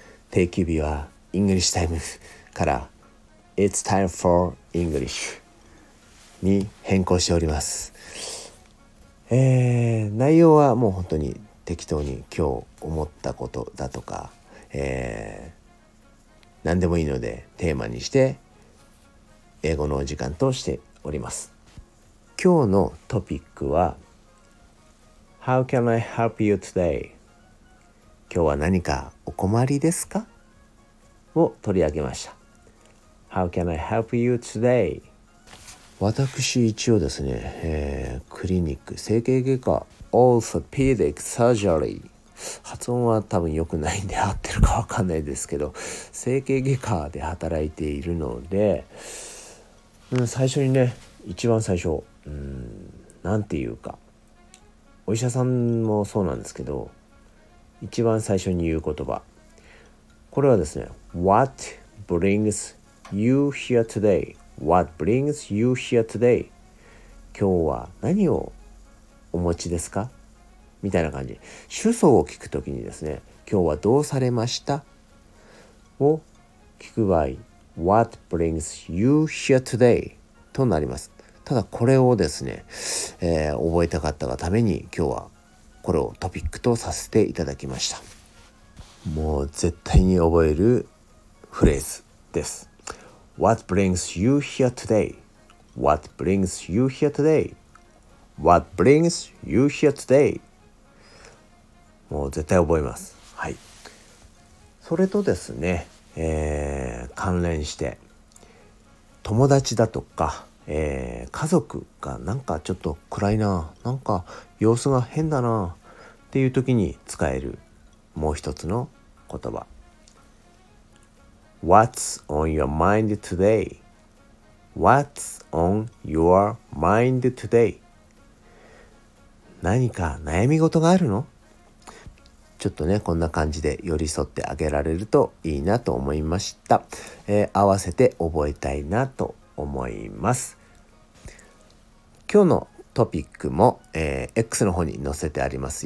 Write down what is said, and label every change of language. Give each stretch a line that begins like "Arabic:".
Japanese: 定休日はイングリッシュタイムから
English: It's time for English
Japanese: に変更しております。内容はもう本当に適当に今日思ったことだとか、何でもいいのでテーマにして英語のお時間としております。今日のトピックは
English: How can I help you today?
Japanese: 今日は何かお困りですか? を取り上げました。
English: How can I help you today?
Japanese: 私一応ですね、クリニック、整形外科、オーソペディックサージュリー、発音は多分良くないんで合ってるか分かんないですけど、整形外科で働いているので、最初にね、一番最初、なんていうか、お医者さんもそうなんですけど、一番最初に言う言葉、これはですね、
English: What brings you here today? What brings you here today?
Japanese: 今日は何をお持ちですか?みたいな感じ。主訴を聞くときにですね、今日はどうされました?
English: を聞く場合、What brings you here today?
Japanese: となります。ただこれをですね、覚えたかったがために今日はこれをトピックとさせていただきました。もう絶対に覚えるフレーズです。
English: What brings you here today? What brings you here today? What brings you here today?
Japanese: もう絶対覚えます。はい。それとですね、関連して友達だとか、家族がなんかちょっと暗いな、なんか様子が変だなっていう時に使えるもう一つの言葉、
English: What's on your mind today? What's on your mind today?
Japanese: 何か悩み事があるの? ちょっとね、こんな感じで寄り添ってあげられるといいなと思いました。合わせて覚えたいなと思います。今日のトピックも、X の方に載せてあります。